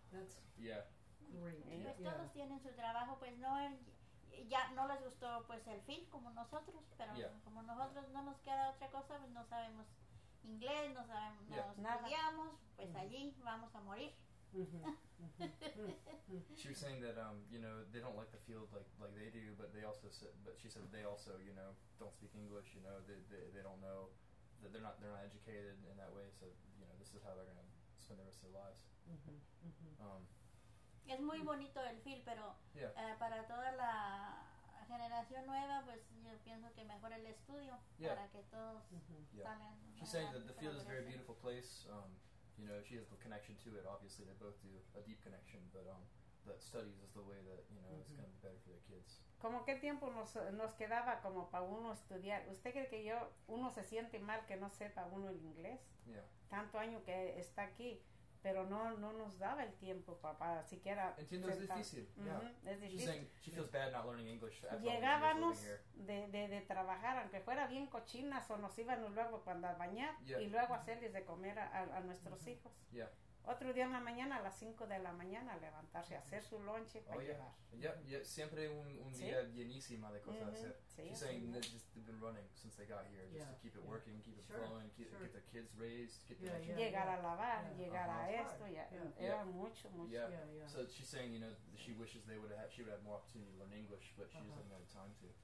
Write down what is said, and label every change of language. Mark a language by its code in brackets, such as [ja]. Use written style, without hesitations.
[en] That's great. [es] Pues todos tienen su trabajo, pues no, ya no les gustó pues el fin como nosotros, pero como nosotros no nos queda otra cosa, pues no sabemos inglés, no sabemos, no estudiamos, pues allí vamos a morir. [en] She was saying that you know, they don't like the field like they do, but they also said, but she said they also, you know, don't speak English, you know, they don't know that they're not educated in that way, so you know, this is how they're going to spend the rest of their lives. [es] Es muy bonito el field, pero para toda la generación nueva, pues yo pienso que mejor el estudio para que todos salgan. [en] She's saying that the field is a very beautiful place. You know, she has the connection to it, obviously, they both do, a deep connection, but that studies is the way that, you know, it's going to be better for their kids. [es] ¿Cómo qué tiempo nos quedaba como para uno estudiar? ¿Usted cree que uno se siente mal que no sepa uno el inglés? [en] Yeah. [es] Tanto año que está aquí, pero no nos daba el tiempo para siquiera... Entiendo, es difícil. Mm-hmm. [en] Yeah. [es] Es difícil. [en] She's saying she feels bad not learning English. [es] Llegábamos de trabajar, aunque fuera bien cochinas, o nos íbamos luego cuando a bañar y luego hacerles de comer a nuestros hijos. [en] Yeah. [es] Otro día en la mañana, a las 5 de la mañana, levantarse, hacer su lunch para llevar. [en] Yeah. [es] Siempre un día llenísima de cosas hacer. [en] She's saying that just they've been running since they got here, just to keep it working, keep it flowing, get their kids raised, get their education. [es] Llegar a lavar, llegar a esto, era mucho. [en] Yeah. So she's saying, you know, she wishes she would have more opportunity to learn English, but she doesn't have time to.